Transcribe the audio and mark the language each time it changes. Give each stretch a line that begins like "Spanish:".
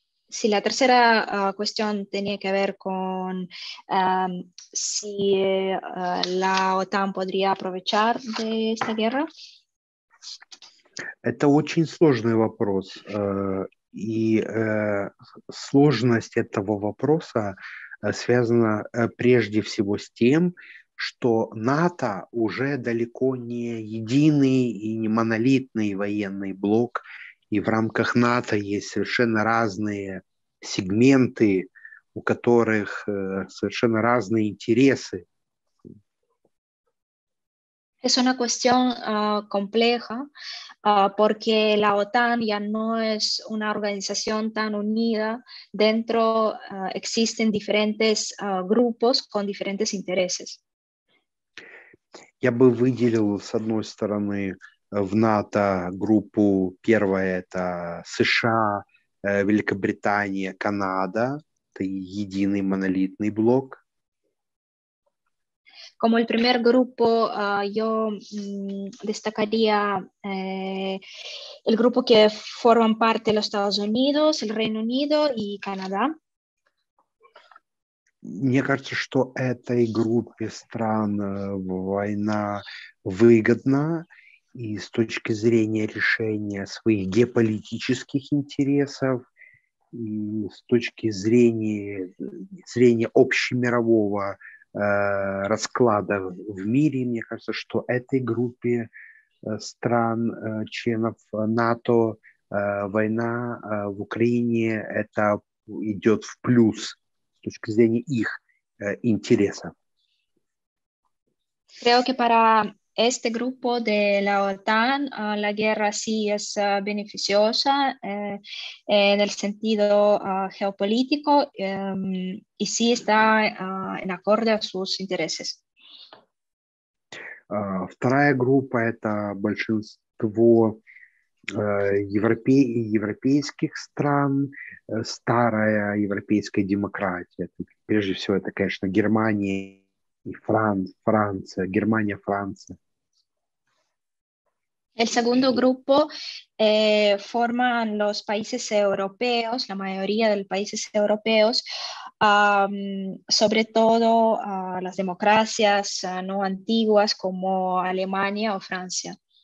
Spanish: Sí, la tercera cuestión tenía que ver con si la OTAN podría aprovechar de esta guerra.
Russian: Это очень сложный вопрос. И сложность этого вопроса связана прежде всего с тем, что НАТО уже далеко не единый и не монолитный военный блок, и в рамках НАТО есть совершенно разные сегменты, у которых совершенно разные интересы.
Spanish: Es una cuestión compleja porque la OTAN ya no es una organización tan unida. Dentro existen diferentes grupos con diferentes intereses.
Russian: Я бы выделил, с одной стороны, в НАТО группу, первая – это США, Великобритания, Канада, это единый монолитный блок.
Spanish: Como el primer grupo, yo destacaría el grupo que forman parte los Estados Unidos, el Reino Unido y Canadá.
Russian: Мне кажется, что этой группе стран война выгодна и с точки зрения решения своих геополитических интересов, и с точки зрения общемирового расклада в мире, мне кажется, что этой группе стран, членов НАТО, война в Украине, это идет в плюс с точки зрения их интересов.
Spanish: Creo que para este grupo de la OTAN la guerra sí es beneficiosa en el sentido geopolítico y sí está en acorde a sus intereses.
Russian: Вторая группа – это большинство европейских стран, старая европейская демократия. Прежде всего, это, конечно, Германия и Франция. Германия, Франция.
Spanish: El segundo grupo forman los países europeos, la mayoría de los países europeos, sobre todo las democracias no antiguas como Alemania o Francia.